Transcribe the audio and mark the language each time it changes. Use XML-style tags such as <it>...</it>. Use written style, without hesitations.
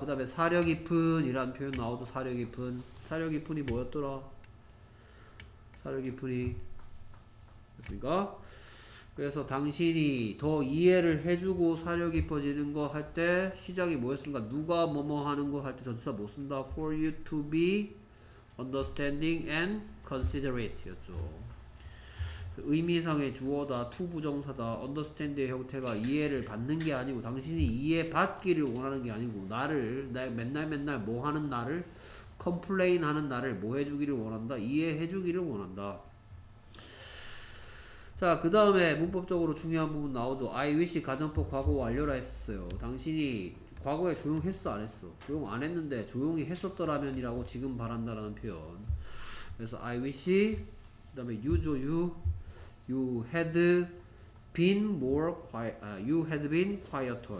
<ko>그 다음에 사려 깊은이라는 표현 나오죠. 사려 깊은. 사려 깊은이 뭐였더라? 사려 깊은이. 됐습니까? 그래서 당신이 더 이해를 해주고 사려 깊어지는 거할때 시작이 뭐였습니까? 누가 뭐뭐 하는 거할때 전치사 못 쓴다.</ko> <en>For you to be understanding and considerate 였죠.</en> <ko>의미상의 주어다. to 부정사다. understand의 형태가 이해를 받는 게 아니고 당신이 이해받기를 원하는 게 아니고 나를 나 맨날 맨날 뭐 하는 나를 complain 하는 나를 뭐 해주기를 원한다. 이해해주기를 원한다. 자, 그 다음에 문법적으로 중요한 부분 나오죠. I wish 가정법 과거 완료라 했었어요. 당신이 과거에 조용했어, 안 했어? 조용 안 했는데 조용히 했었더라면이라고 지금 바란다라는 표현. 그래서 I wish, 그 다음에 유죠, 유.</ko> <en>You had been more quiet, you had been quieter.</en>